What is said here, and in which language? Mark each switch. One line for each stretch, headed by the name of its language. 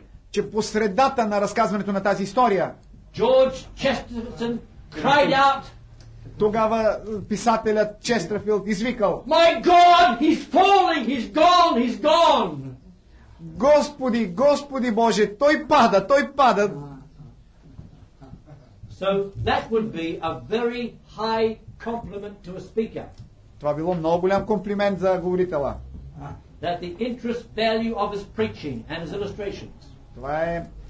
Bulgarian: че по средата на разказването на тази история
English: George Chesterton cried out.
Bulgarian: Тогава писателят Честърфилд извикал:
English: My God, he's falling, he's gone, he's gone.
Bulgarian: Господи, Господи Боже, той пада, той пада.
English: So that would be a very high compliment to a speaker.
Bulgarian: Това било много голям комплимент за говорителя.
English: That the interest value of his preaching and his illustrations.